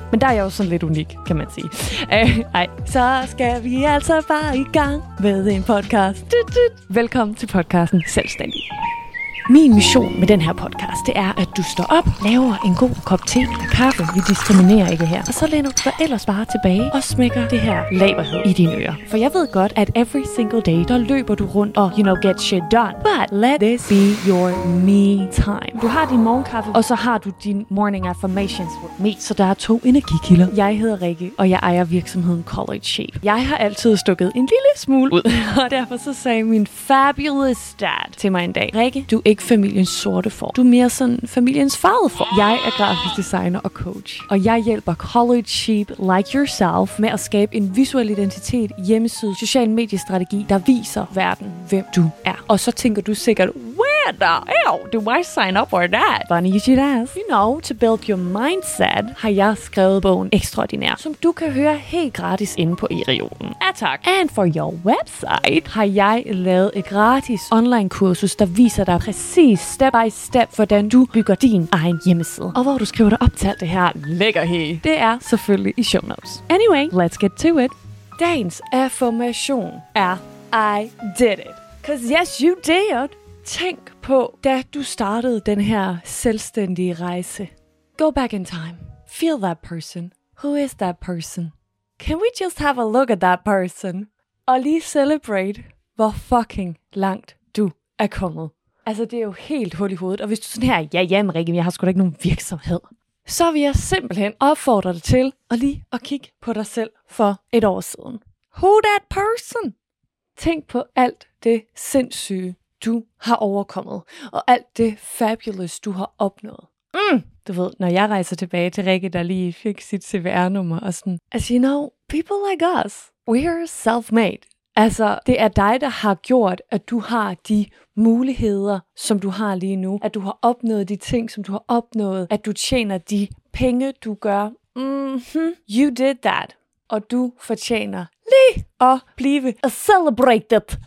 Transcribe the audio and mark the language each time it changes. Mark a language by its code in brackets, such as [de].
[da] Men der er jeg jo sådan lidt unik, kan man sige. Så skal vi altså bare i gang med en podcast. Velkommen til podcasten Selvstændig. Min mission med den her podcast, det er, at du står op, laver en god kop te eller kaffe, vi diskriminerer ikke her, og så læner du dig ellers bare tilbage og smækker det her laberhed i dine ører. For jeg ved godt, at [en] every single day, [da] der løber du rundt og, [en] you know, get shit done. But let this be your me time. [da] Du har din morgenkaffe, og så har du din [en] morning affirmations with me. [da] Så der er to energikilder. Jeg hedder Rikke, og jeg ejer virksomheden College Shape. Jeg har altid stukket en lille smule ud, og derfor så sagde min [en] fabulous dad [da] til mig en dag, Rikke, du ikke familiens sorte får. Du er mere sådan familiens farvede får. Jeg er grafisk designer og coach, og jeg hjælper [en] college sheep like yourself [da] med at skabe en visuel identitet, hjemmeside, social mediestrategi, der viser verden, hvem du er. Og så tænker du sikkert, [en] where the hell do I sign up for that? Funny you should ask. You know, to build your mindset, [da] har jeg skrevet bogen Ekstraordinær, som du kan høre helt gratis inde på Erioden. Ja, tak. [en] And for your website, [da] har jeg lavet et gratis online kursus, der viser dig præcis [en] step by step, [da] hvordan du bygger din egen hjemmeside. Og hvor du skriver dig op til alt det her lækkerhed. Det er selvfølgelig i show notes. [en] Anyway, let's get to it. [da] Dagens affirmation er, [en] I did it. 'Cause yes, you did. [da] Tænk på, da du startede den her selvstændige rejse. [en] Go back in time. Feel that person. Who is that person? Can we just have a look at that person? [da] Og lige celebrate, hvor fucking langt du er kommet. Altså, det er jo helt hul i hovedet. Og hvis du sådan her, ja, Rikke, jeg har sgu da ikke nogen virksomhed. Så vil jeg simpelthen opfordre dig til at lige at kigge på dig selv for et år siden. [en] Who that person? [da] Tænk på alt det sindssyge, du har overkommet. Og alt det fabulous, du har opnået. Du ved, når jeg rejser tilbage til Rikke, der lige fik sit CVR-nummer og sådan. [en] As you know, people like us, we're self-made. [da] Altså, det er dig, der har gjort, at du har de muligheder, som du har lige nu. At du har opnået de ting, som du har opnået. At du tjener de penge, du gør. Mm-hmm. [en] You did that. [da] Og du fortjener lige at blive celebrated.